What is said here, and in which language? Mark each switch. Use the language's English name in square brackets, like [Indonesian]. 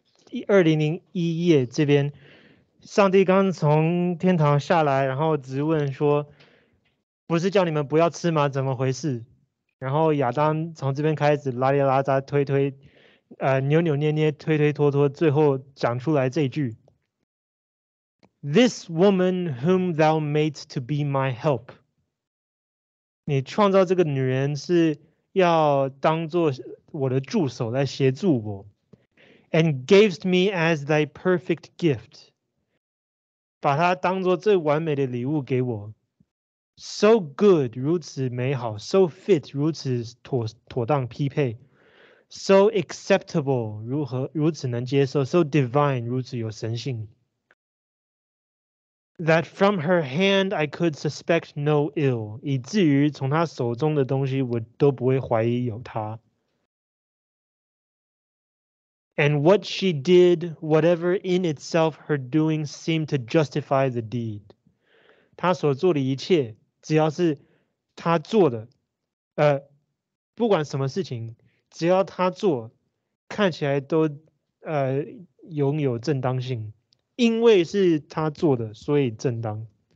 [Chinese] 2001页这边，上帝刚从天堂下来，然后直问说：“不是叫你们不要吃吗？怎么回事？” 然后亚当从这边开始拉里拉扎推推，扭扭捏捏推推拖拖，最后讲出来这句。 [English] This woman whom thou made to be my help. [Chinese] 你创造这个女人是要当作我的助手来协助我。 [English] And gavest me as thy perfect gift. [Chinese] 把她当作最完美的礼物给我。 [English] So good, [Chinese] 如此美好。 [English] So fit, [Chinese] 如此 妥当匹配。 [English] So acceptable, [Chinese] 如此能接受。 [English] So divine, [Chinese] 如此有神性。 [English] That from her hand I could suspect no ill, [Chinese] 以至于从她手中的东西我都不会怀疑有她。 [English] And what she did, whatever in itself her doing seemed to justify the deed. [Chinese] 她所做的一切，只要是她做的，不管什么事情，只要她做，看起来都拥有正当性。因为是他做的，所以正当。